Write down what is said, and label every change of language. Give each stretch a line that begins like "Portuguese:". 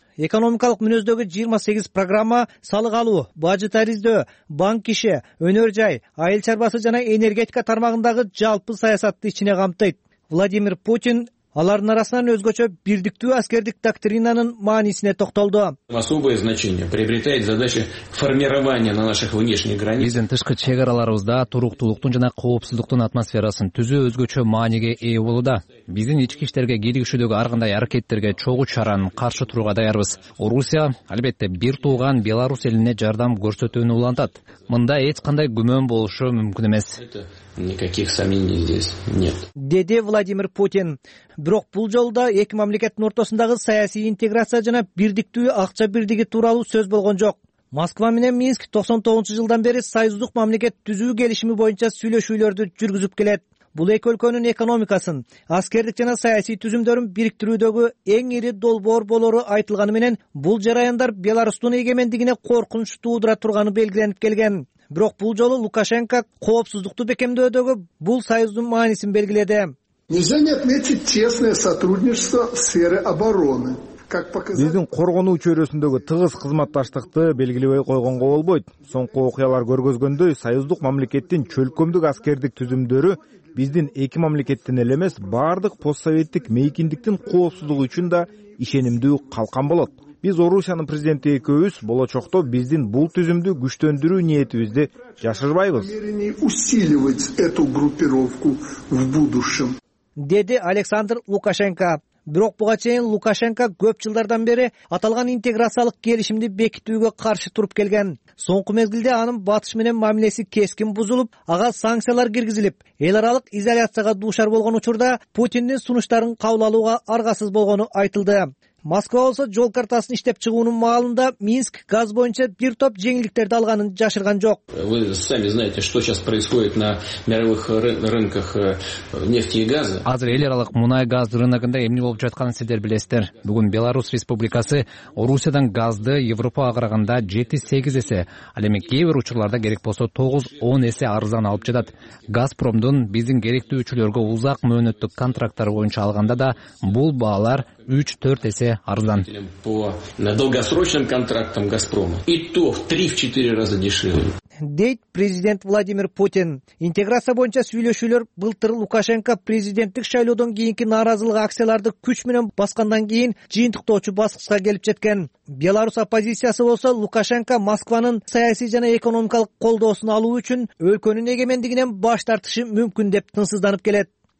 Kyrgyz: Экономикалык мүнөздөгү 28 программа салык алуу, бажы тариздөө, банк иши, өнөр жай, айыл чарбасы жана энергетика тармагындагы жалпы саясатты ичине камтыйт. Владимир Путин алардын арасынан өзгөчө бирдиктүү аскердик доктринанын маанисине токтолду.
Russian: Особое значение приобретает задача формирования на наших внешних границах.
Kyrgyz: Биздин тышкы чек араларыбызда туруктулуктун жана коопсуздуктун атмосферасын түзүү өзгөчө мааниге ээ болууда. Биздин ички иштерге киригишүүдөгү ар кандай аракеттерге чогуу чаранын каршы турууга даярбыз. Орусия албетте бир тууган Беларусь элине жардам көрсөтүүнү улантат. Мында эч кандай күмөн болушу мүмкүн эмес.
Russian: Никаких сомнений здесь нет.
Kyrgyz: Деди Владимир Путин. Бирок бул жолда эки мамлекеттин ортосундагы саясий интеграция жана бирдиктүү акча бирдиги тууралуу сөз болгон жок. Москва менен Минск 99 жылдан бери союздук мамлекет түзүү келишими боюнча сүйлөшүүлөрдү жүргүзүп келет. Бул эки өлкөнүн экономикасын, аскердик жана саясий түзүмдөрүн бириктирүүдөгү эң ири долбоор болору айтылганы менен, бул жараяндар Беларусьтун эгемендигине коркунуч туудура турганы белгиленип келген. Бирок бул жолу Лукашенко коопсуздукту бекемдөөдөгү бул союздун маанисин белгиледи.
Russian: Нельзя не отметить тесное сотрудничество в сфере обороны.
Kyrgyz: Биздин коргонуу чөйрөсүндөгү тыгыз кызматташтыкты белгилебей койгонго болбойт. Соңку окуялар көргөзгөндөй, союздук мамлекеттин чөлкөмдүк аскердик түзүмдөрү биздин эки мамлекеттин эле эмес, бардык постсоветтик мейкиндиктин коопсуздугу үчүн да ишенимдүү калкан болот. Биз Орусиянын президенти экөөбүз болочокто биздин бул түзүмдү күчтөндүрүү ниетибизди жашырбайбыз. Деди Александр Лукашенко. Бирок буга чейин Лукашенко көп жылдардан бери аталган интеграциялык келишимди бекитүүгө каршы туруп келген. Соңку мезгилде анын батыш менен мамилеси кескин бузулуп, ага санкциялар киргизилип, эл аралык изоляцияга дуушар болгон учурда Путиндин сунуштарын кабыл алууга аргасыз болгону айтылды. Москва болсо жол картасын иштеп чыгуунун маалында Минск газ боюнча бир топ жеңилдиктерди алганын жашырган жок.
Russian: Вы сами знаете, что сейчас происходит на мировых рынках нефти и газа.
Kyrgyz: Азыр эл аралык мунай газ рыногунда эмне болуп жатканын силер билесиздер. Бүгүн Беларусь Республикасы Орусиядан газды Европага караганда 7-8 эсе, ал эми кээ бир учурларда керек болсо 9-10 эсе арзан алып жатат. Газпромдун биздин керектөөчүлөргө узак мөөнөттүк контракттар боюнча алганда да бул баалар 3-4 эсе арзан.
Russian: По долгосрочным контрактам Газпрома. И то в 3-4 раза дешевле.
Kyrgyz: Дейт президент Владимир Путин. Интеграция боюнча сүйлөшүүлөр былтыр Лукашенко президенттик шайлоодон кийинки нааразылык акцияларды күч менен баскандан кийин жыйынтыктоочу баскычка келип жеткен. Беларусь оппозициясы болсо Лукашенко Москванын саясий жана экономикалык колдоосун алуу үчүн өлкөнүн эгемендигинен баш тартышы мүмкүн деп тынсызданып келет.